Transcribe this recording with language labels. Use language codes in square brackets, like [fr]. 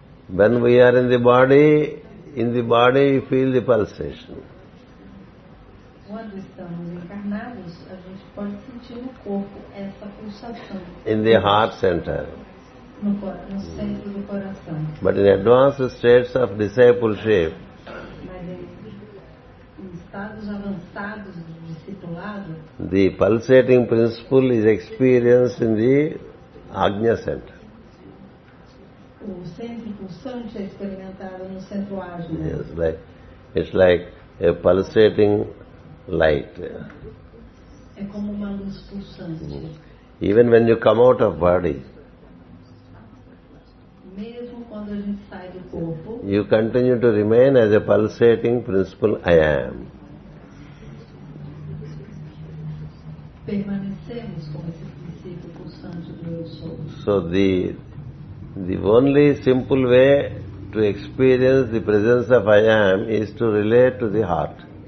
[en] When we are in the body you feel the pulsation. [pt] Quando estamos encarnados, a gente pode sentir no corpo essa pulsação. [en] In the heart center. [pt] No centro do coração. [en] But in advanced states of discipleship. [pt] Mas em estados avançados do discipulado. [en] The pulsating principle is experienced in the Ajna center. [pt] O centro pulsante é experimentado no centro Ajna. [en] Yes, it's like a pulsating light. [pt] É como uma luz pulsante. [en] Even when you come out of body, [pt] mesmo quando a gente sai do corpo, [en] you continue to remain as a pulsating principle I am. [pt] Permanecemos como esse princípio pulsante do eu sou. [en] So the only simple way to experience the presence of I am is to relate to the heart.